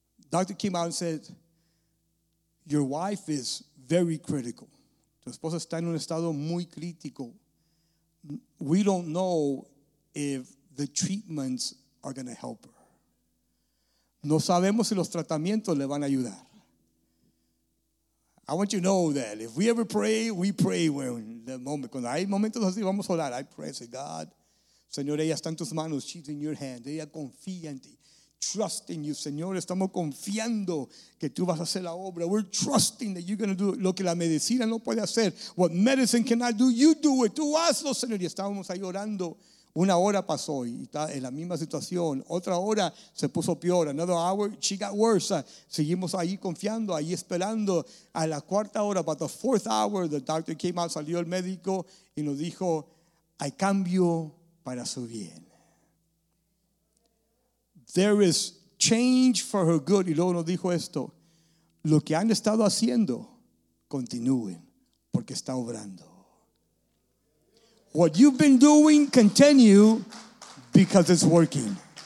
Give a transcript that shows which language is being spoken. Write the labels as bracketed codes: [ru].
[en] Doctor came out and said, your wife is very critical. [es] Tu esposa está en un estado muy crítico. [en] We don't know if the treatments are going to help her. [es] No sabemos si los tratamientos le van a ayudar. [en] I want you to know that if we ever pray, we pray when the moment. [es] Cuando hay momentos así, vamos a orar. [en] I pray, say, God, [es] Señor, ella está en tus manos. [en] She's in your hand. [es] Ella confía en ti. [en] Trust in you, [es] Señor. Estamos confiando que tú vas a hacer la obra. [en] We're trusting that you're going to do [es] lo que la medicina no puede hacer. [en] What medicine cannot do, you do it. [es] Tú hazlo, Señor. Y estábamos ahí orando. Una hora pasó y está en la misma situación. Otra hora se puso peor. [en] Another hour, she got worse. [es] Seguimos ahí confiando, ahí esperando. A la cuarta hora, [en] about the fourth hour, the doctor came out, [es] salió el médico y nos dijo, hay cambio para su bien. [en] There is change for her good. [es] Y luego nos dijo esto, lo que han estado haciendo, continúen, porque está obrando. [en] What you've been doing, continue, because it's working.